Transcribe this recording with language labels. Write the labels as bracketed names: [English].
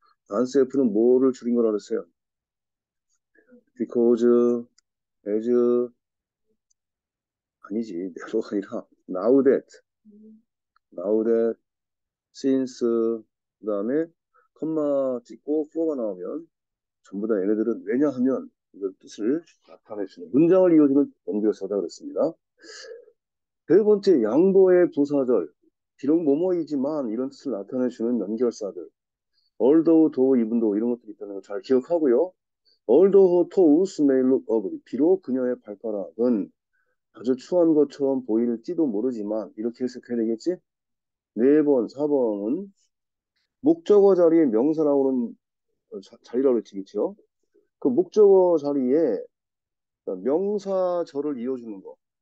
[Korean] manself는 뭐를 줄인 거라 그랬어요? because, as, 아니지, 내로가 아니라, now that, now that, since, 그 다음에, 콤마 찍고, for가 나오면, 전부 다 얘네들은 왜냐 하면, 이런 뜻을 나타내주는, 문장을 이어주는 연결사다 그랬습니다. 세 번째, 양보의 부사절. 비록 뭐뭐이지만, 이런 뜻을 나타내주는 연결사들. although, though, even though, 이런 것들이 있다는 걸잘 기억하고요. [English] Although her toes may look ugly. [Korean] 비록 그녀의 발가락은 아주 추한 것처럼 보일지도 모르지만, 이렇게 해석해야 되겠지? 네 번, 4번은, 목적어 자리에 명사 나오는 자리라고 했지, 그쵸? 그 목적어 자리에 명사절을 이어주는 거.